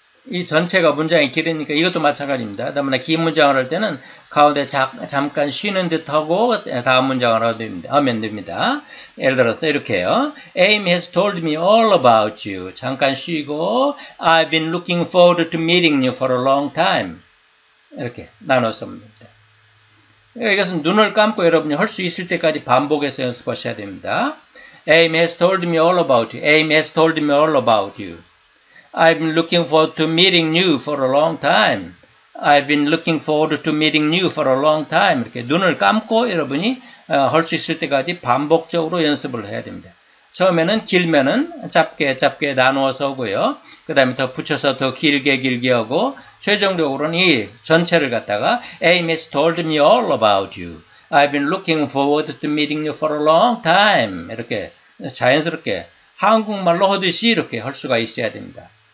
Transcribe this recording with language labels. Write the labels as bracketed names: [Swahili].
[Korean] 이 전체가 문장이 길으니까 이것도 마찬가지입니다. 그다음에 긴 문장을 할 때는 가운데 잠깐 쉬는 듯하고 다음 문장을 하면 됩니다. 예를 들어서 이렇게요. [English] Amy has told me all about you. [Korean] 잠깐 쉬고 [English] I've been looking forward to meeting you for a long time. [Korean] 이렇게 나눠서 합니다. 이것은 눈을 감고 여러분이 할 수 있을 때까지 반복해서 연습하셔야 됩니다. [English] Amy has told me all about you. Amy has told me all about you. I've been looking forward to meeting you for a long time. I've been looking forward to meeting you for a long time. [Korean] 이렇게 눈을 감고 여러분이 할 수 있을 때까지 반복적으로 연습을 해야 됩니다. 처음에는 길면은 짧게 나누어서 하고요. 그 다음에 더 붙여서 더 길게 하고 최종적으로는 이 전체를 갖다가 [English] Amy has told me all about you. I've been looking forward to meeting you for a long time. [Korean] 이렇게 자연스럽게 한국말로 하듯이 이렇게 할 수가 있어야 됩니다.